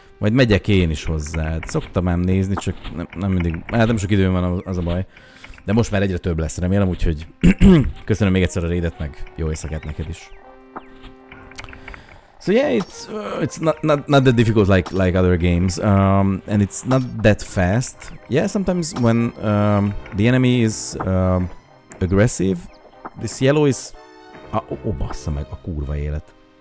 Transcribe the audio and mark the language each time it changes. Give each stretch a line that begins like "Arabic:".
Hungarian: Majd megyek én is hozzád. Szoktam ám nézni, csak nem mindig, hát nem sok időm van, az a baj. De most már egyre több lesz, remélem, úgyhogy köszönöm még egyszer a raidet, meg jó éjszakát neked is.
English: So yeah, it's not that difficult like other games, and it's not that fast. Yeah, sometimes when the enemy is aggressive, this yellow is...
Hungarian: Oh, bassza meg, a kurva élet.